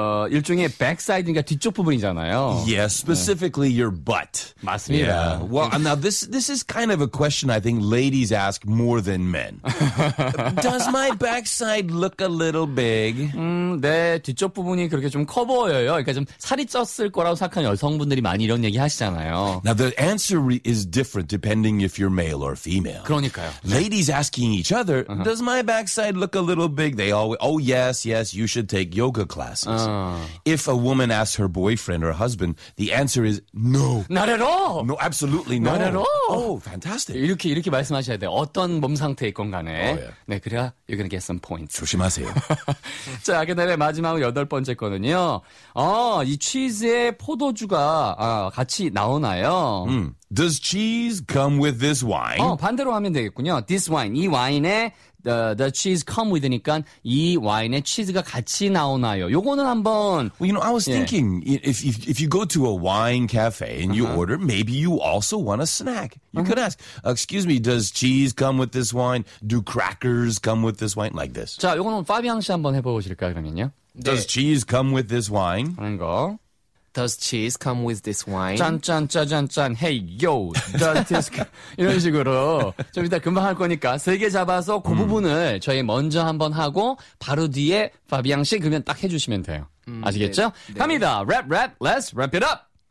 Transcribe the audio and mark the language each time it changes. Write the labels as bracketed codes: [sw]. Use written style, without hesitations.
[ko] 일종의 backside인가 뒤쪽 부분이잖아요. [en] Yes, yeah, specifically 네. your butt. [ko] 맞습니다. [en] Yeah. Well, now this is kind of a question I think ladies ask more than men. Does my backside look a little big? [ko] 네, 뒤쪽 부분이 그렇게 좀 커 보여요. 그러니까 좀 살이 쪘을 거라고 생각하는 여성분들이 많이 이런 얘기 하시잖아요. [en] Now the answer is different depending if you're male or female. [ko] 그러니까요. [en] Ladies asking each other, does my backside look a little big? They always, oh yes, yes, you should take yoga class. If a woman asks her boyfriend or husband, the answer is no. Not at all. No, absolutely no. Not at all. Oh, fantastic. [ko] 이렇게 말씀하셔야 돼요. 어떤 몸 상태이건 간에. [en] Oh, yeah. 네, [ko] 그래야 [en] you're going to get some points. [ko] 조심하세요. 자, 그 다음에 마지막 여덟 번째 거는요. 이 치즈에 포도주가 같이 나오나요? [en] Does cheese come with this wine? [ko] 반대로 하면 되겠군요. [en] This wine, [ko] 이 와인에 [en] the cheese come with [ko] 니까 이 와인에 치즈가 같이 나오나요? 요거는 한번. [en] Well, you know, I was thinking if you go to a wine cafe and you order, maybe you also want a snack. You could ask, excuse me, does cheese come with this wine? Do crackers come with this wine? Like this. [ko] 자, 요거는 파비앙 씨 한번 해보실까 그러면요? 네. [en] Does cheese come with this wine? [ko] 하는 거. [en] Does cheese come with this wine? [ko] 짠짠 짜잔짠 [en] Hey yo, does this [ko] 이런 식으로 좀 이따 금방 할 거니까 세 개 잡아서 그 부분을 저희 먼저 한번 하고 바로 뒤에 파비앙 씨 그러면 딱 해주시면 돼요. 아시겠죠? 네, 네. 갑니다. [en] Rap rap, let's wrap it up.